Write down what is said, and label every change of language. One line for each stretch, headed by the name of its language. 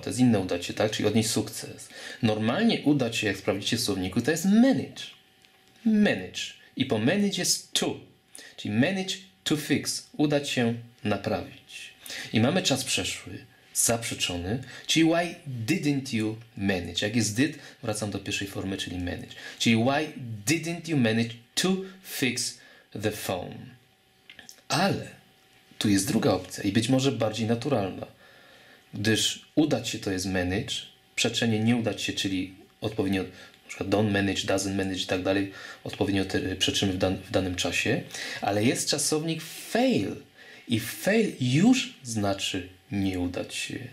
Polish: To jest inne udać się, tak? Czyli odnieść sukces. Normalnie udać się, jak sprawdzicie w słowniku, to jest manage. Manage. I po manage jest to. Czyli
English: manage to fix.
Polish: Udać się naprawić. I mamy czas przeszły, zaprzeczony, czyli
English: why didn't you manage?
Polish: Jak jest did, wracam do pierwszej formy, czyli manage.
English: Czyli why didn't you manage to fix the phone?
Polish: Ale tu jest druga opcja i być może bardziej naturalna, gdyż udać się to jest manage, przeczenie nie udać się, czyli odpowiednio na przykład
English: don't manage, doesn't manage
Polish: i tak dalej, odpowiednio przeczymy w danym czasie, ale jest czasownik fail i fail już znaczy nie udać się.